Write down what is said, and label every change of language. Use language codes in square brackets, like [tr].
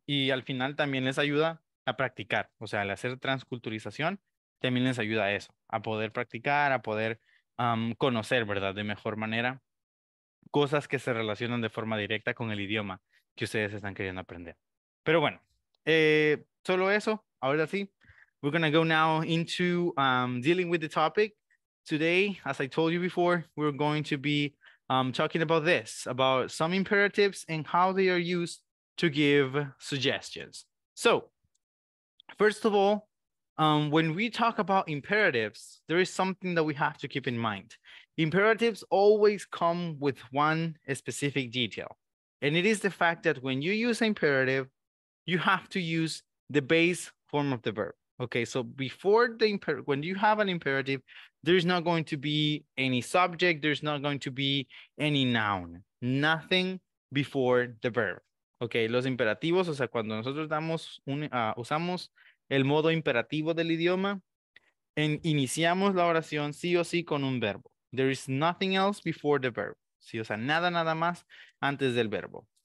[es] Y al final también les ayuda a practicar. O sea, al hacer transculturización, también les ayuda a eso. A poder practicar, a poder conocer, ¿verdad?, de mejor manera, cosas que se relacionan de forma directa con el idioma que ustedes están queriendo aprender. Pero bueno, solo eso. Ahora sí. [en] We're going to go now into dealing with the topic. Today, as I told you before, we're going to be talking about this, about some imperatives and how they are used to give suggestions. So, first of all, when we talk about imperatives, there is something that we have to keep in mind. Imperatives always come with one specific detail, and it is the fact that when you use imperative, you have to use the base form of the verb. Okay, so before the imperative, when you have an imperative, there's not going to be any subject, there's not going to be any noun, nothing before the verb. [es] Okay, los imperativos, o sea, cuando nosotros usamos el modo imperativo del idioma, iniciamos la oración sí o sí con un verbo. [en] There is nothing else before the verb. [es] Sí, o sea, nada más antes del verbo.